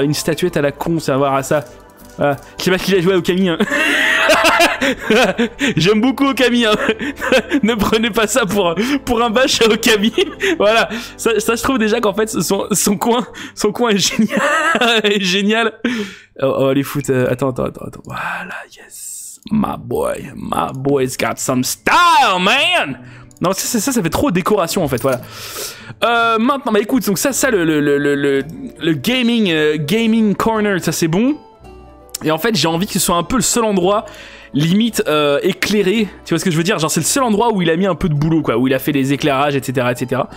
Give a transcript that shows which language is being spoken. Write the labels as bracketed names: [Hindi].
[French] Une statuette à la con, c'est à voir à ça. Voilà. Je sais pas ce qu'il a joué à Okami. Hein. J'aime beaucoup Okami. Hein. Ne prenez pas ça pour un bash à Okami. Voilà. Ça je trouve déjà qu'en fait, son coin est génial. Est génial. Oh, les foot. Attends. Voilà, yes. [English] My boy's got some style, man. [French] Non, ça fait trop décoration en fait, voilà. Maintenant, bah écoute, donc ça le gaming corner, ça c'est bon. Et en fait, j'ai envie que ce soit un peu le seul endroit limite éclairé. Tu vois ce que je veux dire? Genre, c'est le seul endroit où il a mis un peu de boulot, quoi, où il a fait des éclairages, etc., etc.